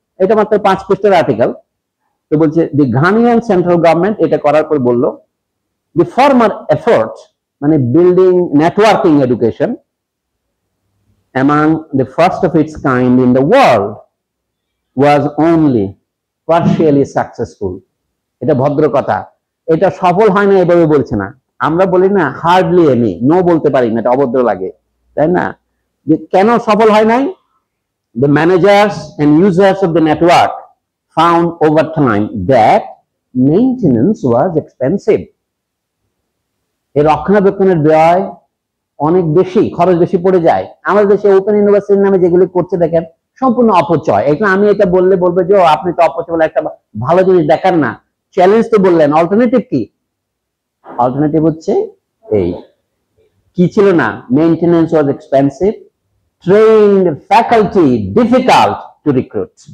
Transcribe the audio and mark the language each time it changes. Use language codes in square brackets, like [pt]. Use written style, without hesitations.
[bn] এটা মাত্র 5 পৃষ্ঠার আর্টিকেল। তো বলছে [en] the Ghanaian central government [bn] এটা করার পর বলল, [en] The former effort মানে building networking education among the first of its kind in the world was only partially successful. [bn] এটা ভদ্র কথা, এটা সফল হয় না এভাবে বলছে না, আমরা বলি না [en] hardly any, [bn] no বলতে পারি না, এটা অভদ্র লাগে, তাই না? কেন সফল হয় নাই, [en] the managers and users of the network found over time that maintenance was expensive. [bn] এর রক্ষণাবেক্ষণের ব্যয় অনেক বেশি, খরচ বেশি পড়ে যায়। আমাদের দেশে ওপেন ইউনিভার্সিটির নামে যেগুলি করছে দেখেন সম্পূর্ণ অপচয়। এখানে আমি এটা বললে বলবে যে আপনি তো অপচয় বলে একটা ভালো জিনিস দেখান না, চ্যালেঞ্জ তো বললেন, অল্টারনেটিভ কি? অল্টারনেটিভ হচ্ছে এই, কি ছিল না, [en] Maintenance was expensive, train faculty difficult to recruit.